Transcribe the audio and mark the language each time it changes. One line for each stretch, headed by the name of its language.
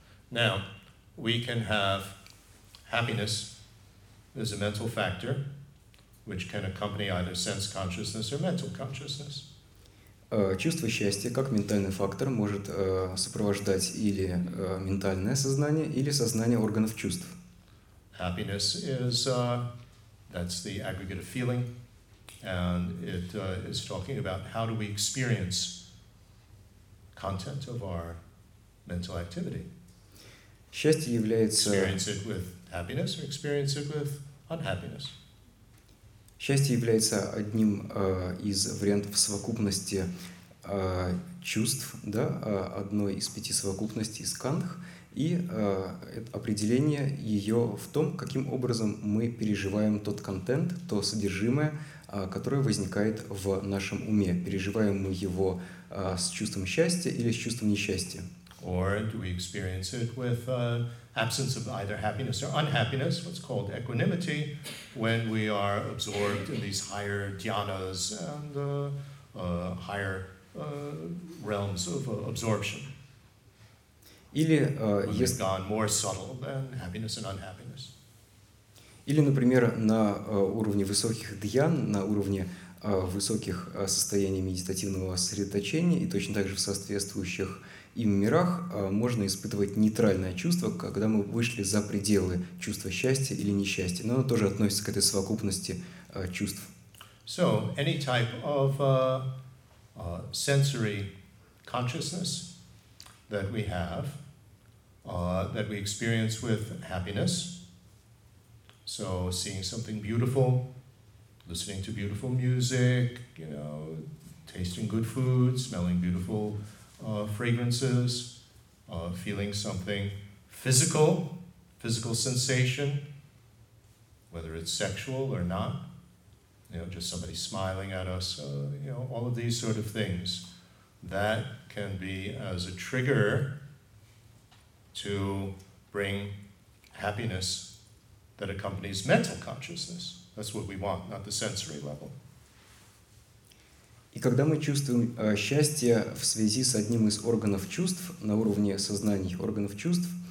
English: Now, we can have happiness as a mental factor, which can accompany either sense consciousness or mental consciousness.
Russian: Чувство счастья как ментальный фактор может сопровождать или ментальное сознание, или сознание органов чувств.
English: Happiness is that's the aggregate of feeling, and it is talking about how do we experience content of our mental activity.
Russian: Счастье является...
English: Experience it with happiness or experience it with unhappiness.
Russian: Счастье является одним из вариантов совокупности чувств, да, одной из пяти совокупностей скандх, и определение ее в том, каким образом мы переживаем тот контент, то содержимое, которое возникает в нашем уме. Переживаем мы его с чувством счастья или с чувством несчастья.
English: Or do we experience it with absence of either happiness or unhappiness, what's called equanimity, when we are absorbed in these higher dhyanas and higher realms of absorption.
Russian: Или,
English: when we've gone more subtle than happiness and unhappiness.
Russian: Или, например, на уровне высоких дьян, на уровне высоких состояний медитативного сосредоточения и точно так же в соответствующих им мирах можно испытывать нейтральное чувство, когда мы вышли за пределы чувства счастья или несчастья. Но оно тоже относится к этой совокупности чувств.
English: So, any type of sensory consciousness that we have, that we experience with happiness, so seeing something beautiful, listening to beautiful music, you know, tasting good food, smelling beautiful fragrances, feeling something physical sensation, whether it's sexual or not, you know, just somebody smiling at us, you know, all of these sort of things, that can be as a trigger to bring happiness that accompanies mental consciousness. That's what we want, not the sensory level.
Russian: И когда мы чувствуем счастье в связи с одним из органов чувств, на уровне сознаний органов чувств,